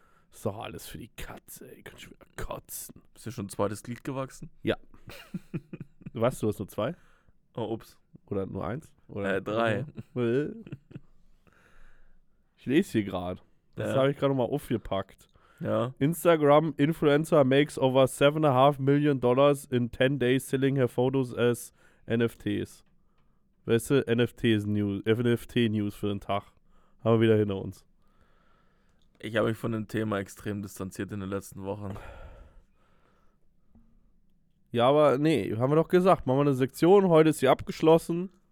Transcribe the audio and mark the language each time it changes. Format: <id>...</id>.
<de>Ist doch alles für die Katze, ey. Könnt ihr wieder kotzen. Bist du schon ein zweites Glied gewachsen? Ja. Was? Du hast nur zwei? Oh, ups. Oder nur eins? Oder drei. Ich lese hier gerade. Das habe ich gerade nochmal aufgepackt. Ja.</de> <en>Instagram Influencer makes over $7.5 million in 10 days selling her photos as NFTs.</en> <de>Weißt du, NFT News für den Tag. Haben wir wieder hinter uns. Ich habe mich von dem Thema extrem distanziert in den letzten Wochen. Ja, aber nee, haben wir doch gesagt. Machen wir eine Sektion, heute ist sie abgeschlossen.</de>